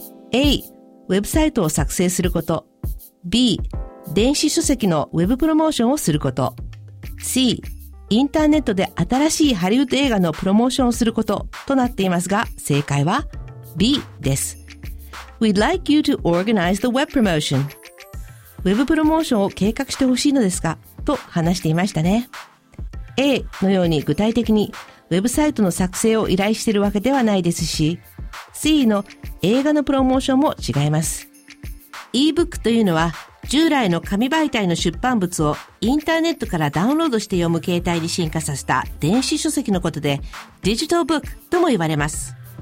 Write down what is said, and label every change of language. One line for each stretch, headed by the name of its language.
Japanese: A. ウェブサイトを作成すること。 B. 電子書籍のウェブプロモーションをすること。 C. インターネットで新しいハリウッド映画のプロモーションをすることとなっていますが、正解は B です。
English: We'd like you to organize the web promotion.
Japanese: ウェブプロモーションを計画してほしいのですが、と話していましたね。 A のように具体的にウェブサイトの作成を依頼しているわけではないですし、C の映画のプロモーションも違います。 ebook というのは従来の紙媒体の出版物をインターネットからダウンロードして読む形態に進化させた電子書籍のことで、デジタルブックとも言われます。